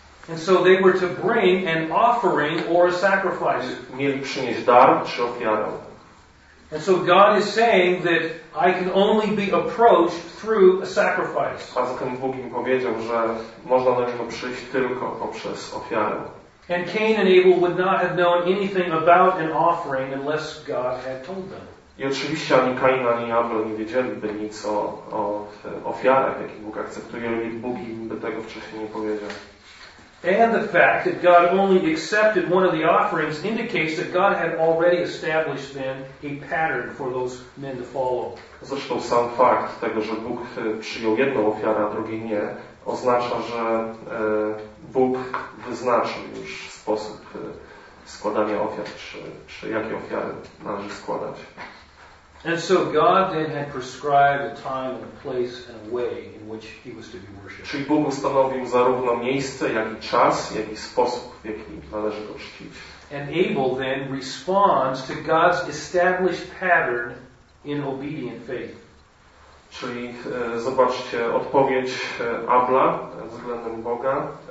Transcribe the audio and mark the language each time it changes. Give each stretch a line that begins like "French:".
English: And so they were to bring an offering or a sacrifice.
Polish: Mieli przynieść dar czy ofiarę.
English: And so God is saying that I can only be approached through a sacrifice.
Polish: A zatem Bóg im powiedział, że można do niego przyjść tylko poprzez ofiarę.
English: And Cain and Abel would not have known anything about an offering unless God had told them.
Polish: I oczywiście ani Kain, ani Abel nie wiedzieliby nic o ofiarach, jakie Bóg akceptuje, i Bóg im by tego wcześniej nie powiedział.
English: And the fact that God only accepted one of the offerings indicates that God had already established then a pattern for those men to follow.
Polish: Zresztą sam fakt tego, że Bóg przyjął jedną ofiarę, a drugiej nie, oznacza, że Bóg wyznaczył już sposób składania ofiar, czy jakie ofiary należy składać.
English: And so God then had prescribed a time and a place and a way in which he was to be worshipped.
Polish: Czyli Bóg ustanowił zarówno miejsce, jak i czas, jak i sposób, w jaki należy go czcić.
English: And Abel then responds to God's established pattern in obedient faith.
Polish: Czyli zobaczcie odpowiedź Abla względem Boga.